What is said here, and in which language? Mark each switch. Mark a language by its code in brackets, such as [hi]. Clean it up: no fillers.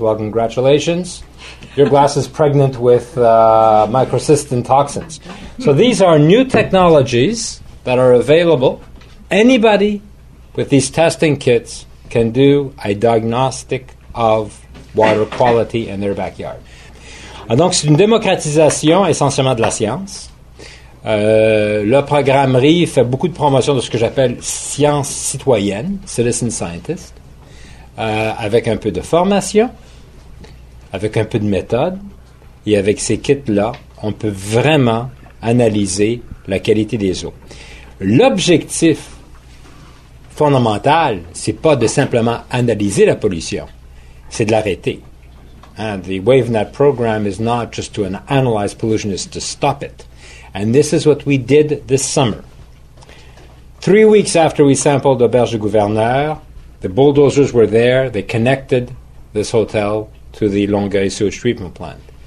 [en] Well, congratulations. Your glass is pregnant with microcystin toxins. So these are new technologies that are available. Anybody with these testing kits can do a diagnostic of water quality in their backyard. [fr] Donc, c'est une démocratisation essentiellement de la science. Le programme RIE fait beaucoup de promotion de ce que j'appelle science citoyenne, [en] citizen scientist, [fr] avec un peu de formation, avec un peu de méthode, et avec ces kits-là, on peut vraiment analyser la qualité des eaux. L'objectif fondamental, c'est pas de simplement analyser la pollution, c'est de l'arrêter. [en] And the WaveNet program is not just to analyze pollution, it's to stop it. And this is what we did this summer. 3 weeks after we sampled Auberge du Gouverneur, the bulldozers were there, they connected this hotel to the Longueuil sewage treatment plant.